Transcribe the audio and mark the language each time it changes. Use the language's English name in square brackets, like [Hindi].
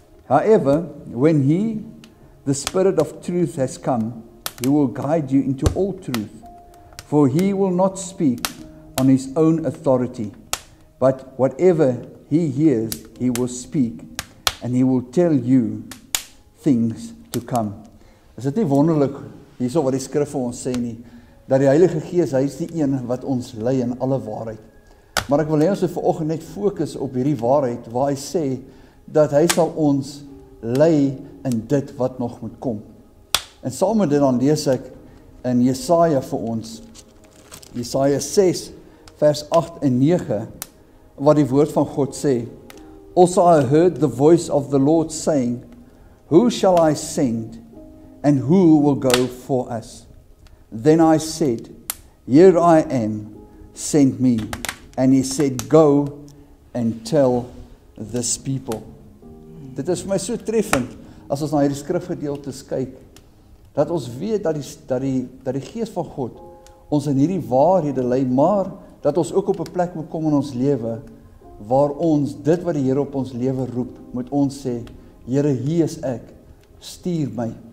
[English] However, when he, the Spirit of truth has come, he will guide you into all truth. For he will not speak on his own authority, but whatever he hears, he will speak and he will tell you things to come. [Afrikaans] Is dit nie wonderlik hierso wat die skrif vir ons sê nie, dat die Heilige Gees, hy is die een wat ons lei in alle waarheid. Maar ek wil hê ons moet vanoggend net fokus op hierdie waarheid waar hy sê dat hy sal ons lei in dit wat nog moet kom. En saam met dit dan lees ek in Jesaja vir ons, Jesaja 6 vers 8 en 9, wat die woord van God sê: [English] Also I heard the voice of the Lord saying, Who shall I send and who will go for us? Then I said, Here I am, send me. And he said, go and tell this people. [Afrikaans] Dit is vir my so treffend, as ons na hierdie skrifgedeeltes kyk, dat ons weet dat die Gees van God ons in hierdie waarhede lei, maar dat ons ook op 'n plek moet kom in ons lewe, waar ons dit wat die Here op ons lewe roep, moet ons sê, Here, hier is ek, stuur my.